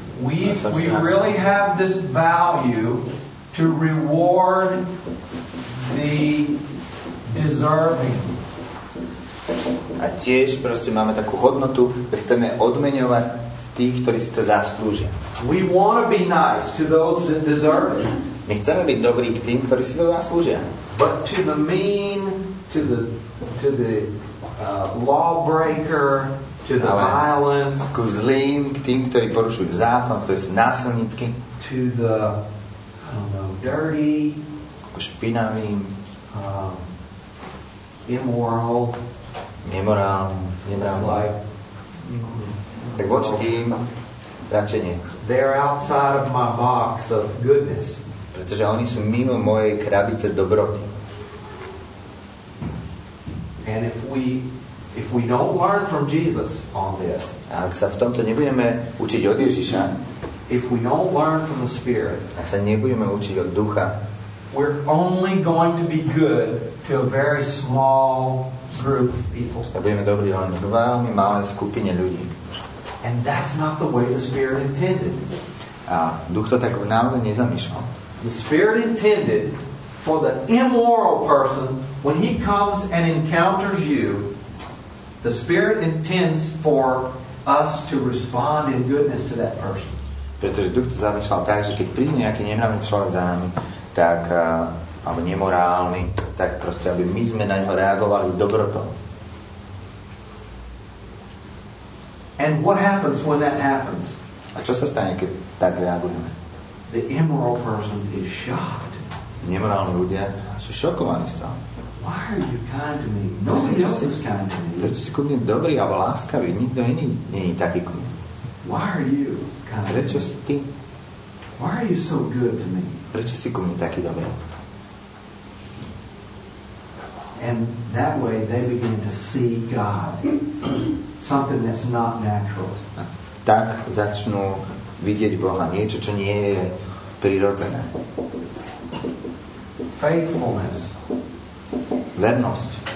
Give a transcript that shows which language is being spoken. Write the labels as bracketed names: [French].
[English] we really have this value to reward the deserving. [Slovak] A tiež proste máme takú hodnotu, že chceme odmeňovať tých, ktorí si to zaslúžia. [English] We want to be nice to those that deserve it. [Slovak] My chceme byť dobrí k tým, ktorí si to zaslúžia. [English] But to the mean, to the lawbreaker, to the violent, [Slovak] ku zlým, k tým, ktorí porušujú zákon, ktorí sú násilnícky, [English] to the, I don't know, dirty, [Slovak] ku špinavým, [English] immoral, [Slovak] nemorálnym, [English] like, [Slovak] tak voči tým radšej nie. [English] They're outside of my box of goodness. [Slovak] Pretože oni sú mimo mojej krabice dobroty. [English] And if we don't learn from Jesus on this. [Slovak] Ak sa v tomto nebudeme učiť od Ježiša. [English] If we don't learn from the Spirit. [Slovak] Ak sa nebudeme učiť od Ducha. [English] We're only going to be good to a very small group of people. [Slovak] A budeme dobrí len k veľmi malej skupine ľudí. [English] And that's not the way the Spirit intended. [Slovak] A Duch to tak naozaj nezamýšľal. [English] The Spirit intended for the immoral person when he comes and encounters you, the Spirit intends for us to respond in goodness to that person. [Slovak] Pretože Duch to zamýšľal tak, že keď príde nejaký nemravný človek za nami, tak, alebo nemorálny, tak proste, aby my sme na ňo reagovali dobrotou. [English] And what happens when that happens? [Slovak] A čo sa stane, keď tak reagujeme? [English] The immoral person is shocked. [Slovak] Nemorálni ľudia sú šokovaní z toho. [English] Why are you kind to me? Nobody else is kind to me. [Slovak] Prečo si ku mne dobrý alebo láskavý? Nikto iný nie je taký ku mne. [English] Why are you kind? [Slovak] Prečo si ty? [English] Why are you so good to me? [Slovak] Prečo si ku mne taký dobrý? [English] And that way they begin to see God. Something that's not natural. [Slovak] A tak začnú vidieť Boha, niečo, čo nie je prirodzené. [English] Faithfulness. [Slovak] Vernosť.